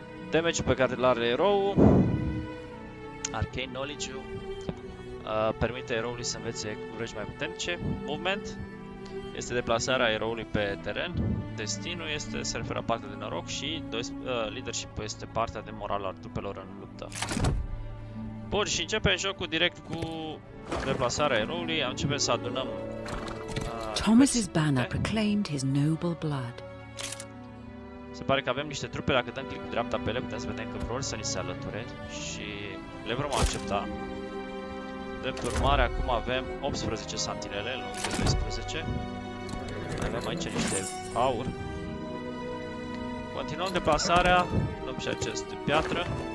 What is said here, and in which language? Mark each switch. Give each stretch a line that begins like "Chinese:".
Romanian: Damage pe care îl are eroul. Arcane Knowledge permite eroului să învețe curăci mai puternice. Movement este deplasarea eroului pe teren. Destinul este, se referă partea de noroc și leadership este partea de moral al trupelor în luptă. Bun, și începem jocul direct cu deplasarea eroului. Începem să adunăm.
English: Thomas's banner proclaimed his noble blood.
Romanian: Se pare că avem niște trupe, dacă dăm click cu dreapta pe ele, putem să vedem că vor să ni se alăture și le vom accepta. Drept urmare, acum avem 18 santinele, în loc de 12. Avem aici niște aur. Continuăm deplasarea, luăm și acest piatră.